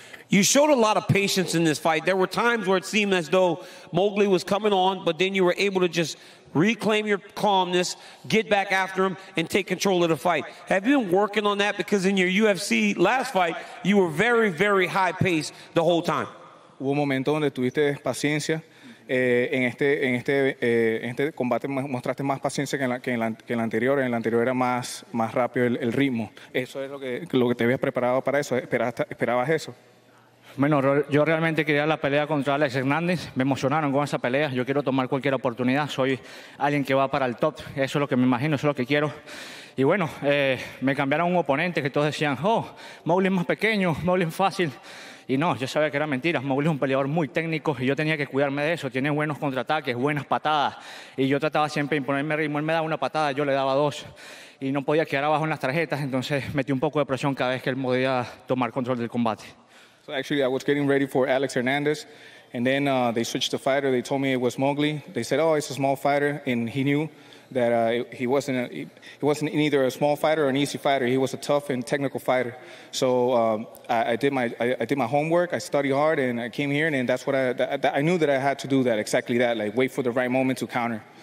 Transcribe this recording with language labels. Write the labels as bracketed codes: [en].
[en] You showed a lot of patience in this fight. There were times where it seemed as though Mowgli was coming on, but then you were able to just reclaim your calmness, get back after him, and take control of the fight. Have you been working on that? Because in your UFC last fight, you were very, very high-paced the whole time. [es] Hubo un momento donde tuviste paciencia. En este combate mostraste más paciencia que en la anterior. En la anterior era más rápido el ritmo. Eso es lo que te habías preparado para eso. Esperabas eso. Bueno, yo realmente quería la pelea contra Alex Hernández. Me emocionaron con esa pelea. Yo quiero tomar cualquier oportunidad. Soy alguien que va para el top. Eso es lo que me imagino, eso es lo que quiero. Y bueno, me cambiaron un oponente que todos decían, oh, Mowgli es más pequeño, Mowgli es fácil. Y no, yo sabía que era mentira. Mowgli es un peleador muy técnico y yo tenía que cuidarme de eso. Tiene buenos contraataques, buenas patadas. Y yo trataba siempre de imponerme ritmo. Él me daba una patada, yo le daba dos. Y no podía quedar abajo en las tarjetas. Entonces metí un poco de presión cada vez que él podía tomar control del combate. [en] Actually, I was getting ready for Alex Hernandez, and then they switched the fighter. They told me it was Mowgli. They said, oh, it's a small fighter, and he knew that he wasn't either a small fighter or an easy fighter. He was a tough and technical fighter. So I did my homework. I studied hard, and I came here, and that's what I knew that I had to do that, exactly that, like wait for the right moment to counter.